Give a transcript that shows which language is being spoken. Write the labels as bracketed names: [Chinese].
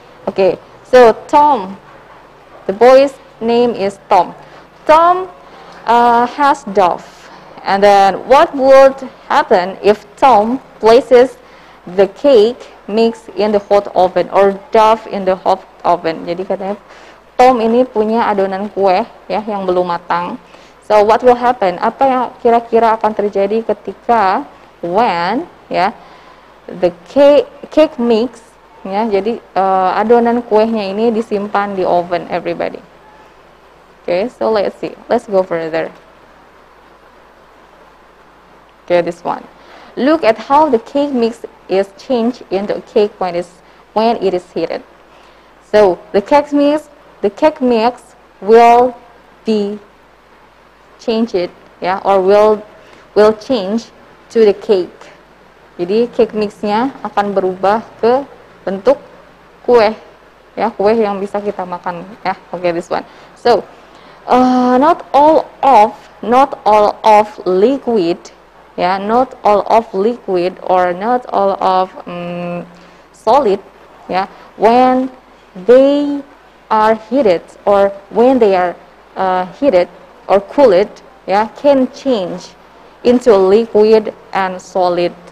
[English] Okay, so Tom. The boy's name is Tom. Tom has dove. And then what would happen if Tom places the cake mix in the hot oven or dove in the hot oven? [Indonesian] Jadi katanya Tom ini punya adonan kue, ya, yang belum matang. [English] So what will happen? [Indonesian] Apa yang kira-kira akan terjadi ketika [English] when, ya, the cake mix, ya, [Indonesian] jadi adonan kuenya ini disimpan di [English] oven, everybody. Okay, so let's see. Let's go further. Okay, this one. Look at how the cake mix is changed into a cake when it is heated. So, the cake mix will be changed, ya, yeah, or will change to the cake. [Indonesian] Jadi, cake mix-nya akan berubah ke bentuk kue, ya, kue yang bisa kita makan, ya. [English] Okay, this one. So not all of liquid, ya, not all of liquid or not all of solid, ya, when they are heated or when they are heated or cooled, ya, can change into liquid and solid.